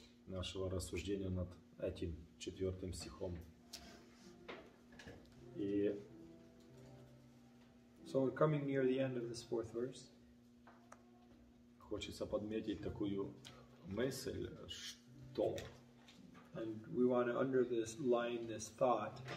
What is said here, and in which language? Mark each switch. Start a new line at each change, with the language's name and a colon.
Russian: нашего рассуждения над этим четвертым стихом. И
English: so we're coming near the end of this fourth verse.
Russian: Хочется подметить такую мысль, что
English: and we want to underline this thought.